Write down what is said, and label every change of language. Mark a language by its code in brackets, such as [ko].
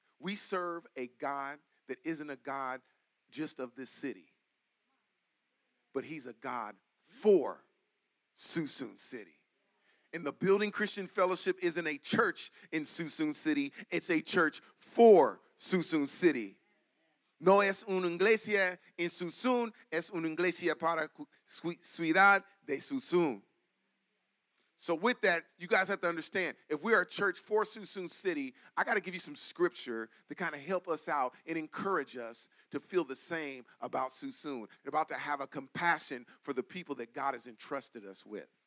[en] We serve a God that isn't a God just of this city, but he's a God for Susun City. And the Building Christian Fellowship isn't a church in Susun City, it's a church for Susun City. [es] No es una iglesia en Susun, es una iglesia para ciudad de Susun. [en] So with that, you guys have to understand, if we are a church for Susun City, I got to give you some scripture to kind of help us out and encourage us to feel the same about Susun, about to have a compassion for the people that God has entrusted us with.